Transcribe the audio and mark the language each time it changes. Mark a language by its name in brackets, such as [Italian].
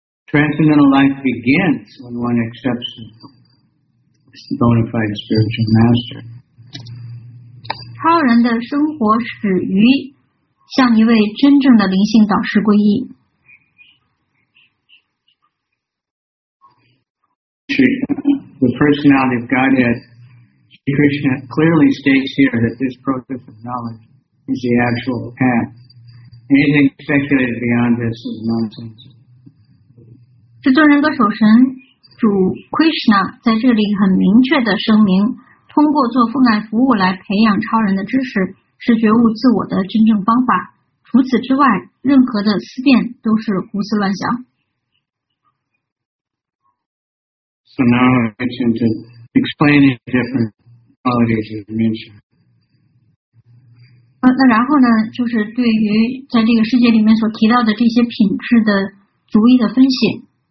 [English] Transcendental life begins when one accepts the bona fide spiritual master. [Chinese] 超人的生活始于向一位真正的灵性导师皈依。 [English] The personality of Godhead, Sri Krishna clearly states here that this process of knowledge is the actual path. Anything speculated beyond this is nonsense. [Chinese] 至尊人格首神主 Krishna 在这里很明确的声明，通过做奉爱服务来培养超人的知识，是觉悟自我的真正方法。除此之外，任何的思辨都是胡思乱想。 [English] So now I mentioned to explain the different qualities you mentioned. [Chinese] 那然后呢，就是对于在这个世界里面所提到的这些品质的逐一的分析。